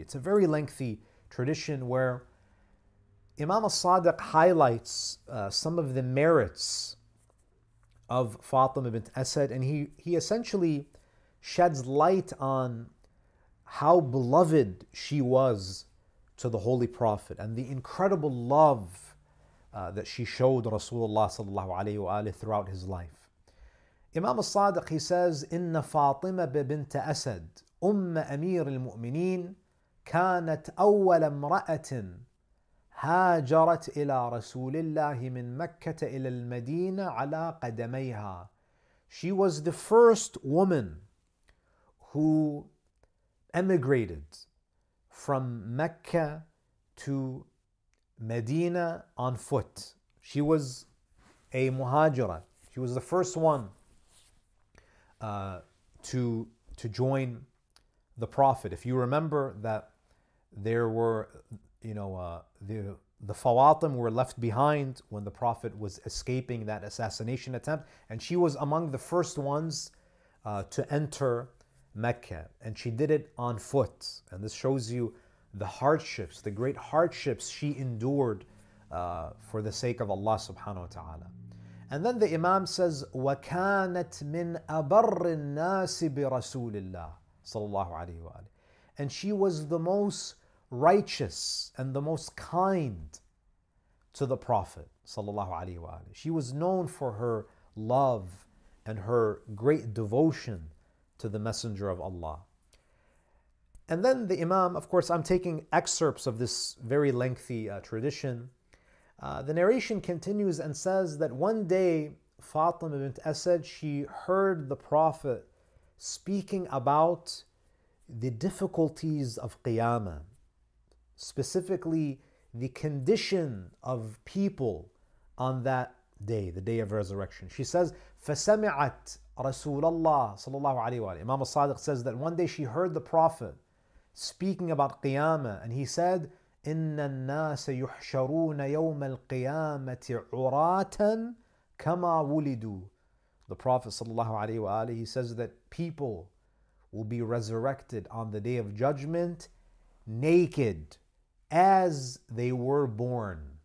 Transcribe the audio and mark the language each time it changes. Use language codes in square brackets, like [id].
[en] It's a very lengthy tradition where Imam al-Sadiq highlights some of the merits of Fatima bint Asad, and he essentially sheds light on how beloved she was to the Holy Prophet and the incredible love that she showed Rasulullah sallallahu alayhi wa alayhi throughout his life. [ar] Imam al-Sadiq, he says, إِنَّ فَاطِمَ بِبِنْتَ أَسَدْ أُمَّ أَمِيرِ الْمُؤْمِنِينَ كَانَتْ أَوَّلَ امْرَأَةٍ هَاجَرَتْ إِلَىٰ رَسُولِ اللَّهِ مِنْ مَكَّةَ إِلَىٰ الْمَدِينَ عَلَىٰ قَدَمَيْهَا. [en] She was the first woman who emigrated from Mecca to Medina on foot. She was a muhajira. She was the first one to join the Prophet. If you remember that there were, you know, the Fawatim were left behind when the Prophet was escaping that assassination attempt, and she was among the first ones to enter Mecca, and she did it on foot. And this shows you the hardships, the great hardships she endured for the sake of Allah subhanahu wa ta'ala. [ar] And then the Imam says, وَكَانَتْ مِنْ أَبَرِّ النَّاسِ بِرَسُولِ اللَّهِ صلى الله عليه وآله. [en] And she was the most righteous and the most kind to the Prophet صلى الله عليه وآله. She was known for her love and her great devotion to the Messenger of Allah. And then the Imam, of course, I'm taking excerpts of this very lengthy tradition. The narration continues and says that one day, Fatima bint Asad, she heard the Prophet speaking about the difficulties of Qiyamah, specifically the condition of people on that day, the day of resurrection. [ar] She says, فَسَمِعَتْ رَسُولَ اللَّهِ صَلَى اللَّهُ عَلَيْهِ وَعَلَىٰ. [en] Imam al-Sadiq says that one day she heard the Prophet speaking about Qiyamah, and he said, إِنَّ النَّاسَ يُحْشَرُونَ يَوْمَ الْقِيَامَةِ عُرَاتًا كَمَا وُلِدُوا. The Prophet sallallahu alayhi wa alayhi, he says that people will be resurrected on the Day of Judgment naked as they were born.